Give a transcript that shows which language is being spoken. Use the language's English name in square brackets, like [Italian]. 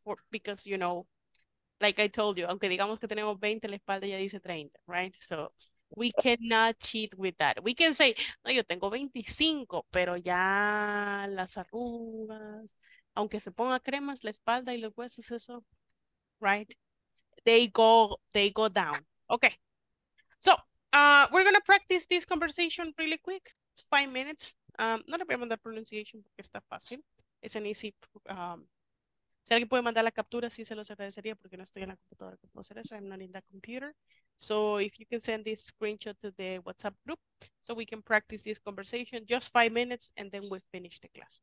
[English] Because, you know, like I told you, [Spanish] aunque digamos que tenemos 20, la espalda ya dice 30, right? [English] So, we cannot cheat with that. We can say, [Spanish] no, yo tengo 25, pero ya las arrugas, aunque se ponga cremas, la espalda y los huesos, eso, right? [English] They go down. Okay. So, we're going to practice this conversation really quick. It's 5 minutes. [Spanish] No le voy a mandar pronunciation porque está fácil. [English] It's an easy... [Spanish] Si alguien puede mandar la captura, sí se los agradecería porque no estoy en la computadora que puedo hacer eso. [English] I'm not in the computer. So, if you can send this screenshot to the WhatsApp group so we can practice this conversation, just 5 minutes, and then we finish the class.